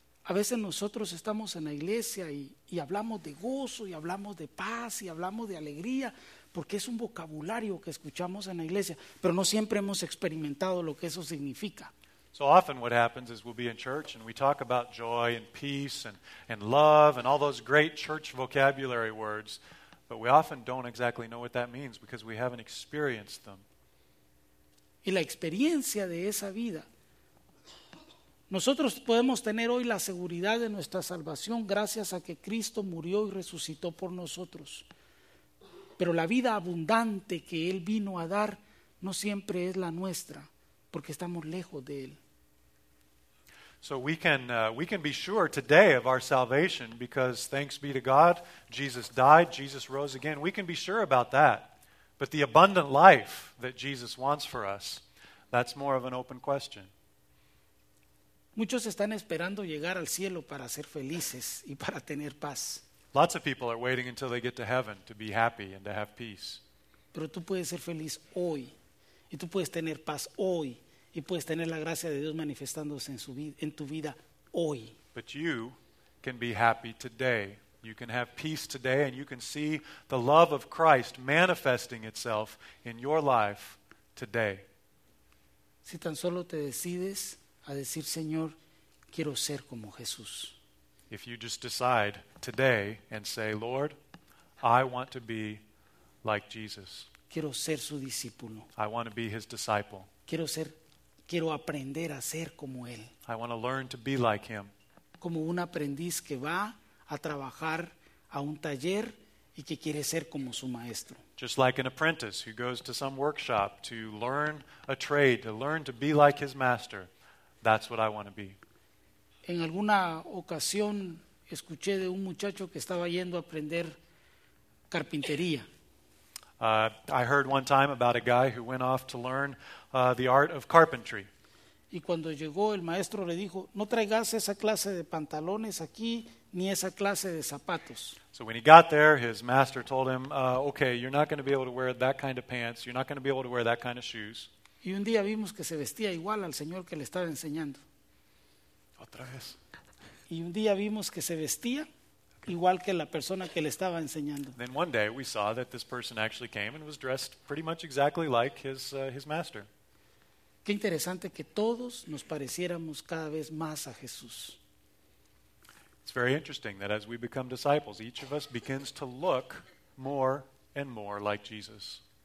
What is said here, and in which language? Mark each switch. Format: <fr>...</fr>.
<es>A veces nosotros estamos en la iglesia y hablamos de gozo y hablamos de paz y hablamos de alegría porque es un vocabulario que escuchamos en la iglesia, pero no siempre hemos experimentado lo que eso significa.</es> <en>So often what happens is we'll be in church and we talk about joy and peace and love and all those great church vocabulary words, but we often don't exactly know what that means because we haven't experienced them.</en> <es>Y la experiencia de esa vida. Nosotros podemos tener hoy la seguridad de nuestra salvación gracias a que Cristo murió y resucitó por nosotros. Pero la vida abundante que Él vino a dar no siempre es la nuestra, porque estamos lejos de Él.</es> <en>So we can be sure today of our salvation because thanks be to God, Jesus died, Jesus rose again. We can be sure about that. But the abundant life that Jesus wants for us, that's more of an open question.</en> <es>Muchos están esperando llegar al cielo para ser felices y para tener paz.</es> <en>Lots of people are waiting until they get to heaven to be happy and to have peace.</en> <es>Pero tú puedes ser feliz hoy y tú puedes tener paz hoy y puedes tener la gracia de Dios manifestándose en tu vida hoy.</es> <en>But you can be happy today. You can have peace today and you can see the love of Christ manifesting itself in your life today.</en> <es>Si tan solo te decides a decir, Señor, quiero ser como Jesús.</es> <en>If you just decide today and say, Lord, I want to be like Jesus.</en> <es>Quiero ser su discípulo.</es> <en>I want to be his disciple.</en> <es>Quiero aprender a ser como él.</es> <en>I want to learn to be like him.</en> <es>Como un aprendiz que va a trabajar a un taller y que quiere ser como su maestro.</es> <en>Just like an apprentice who goes to some workshop to learn a trade, to learn to be like his master. That's what I want to be.</en> <es>En alguna ocasión escuché de un muchacho que estaba yendo a aprender carpintería.</es> <en>I heard one time about a guy who went off to learn the art of carpentry.</en> <es>Y cuando llegó el maestro le dijo, no traigas esa clase de pantalones aquí ni esa clase de zapatos.</es> <en>So when he got there, his master told him, okay, you're not going to be able to wear that kind of pants, you're not going to be able to wear that kind of shoes.</en> <es>Y un día vimos que se vestía igual al señor que le estaba enseñando. Otra vez. Y un día vimos que se vestía igual que la persona que le estaba enseñando.</es> <en>Then one day we saw that this person actually came and was dressed pretty much exactly like his master.</en> <es>Qué interesante que todos nos pareciéramos cada vez más a Jesús.</es> <en>It's very interesting that as we become disciples, each of us begins to look more and more like Jesus.</en>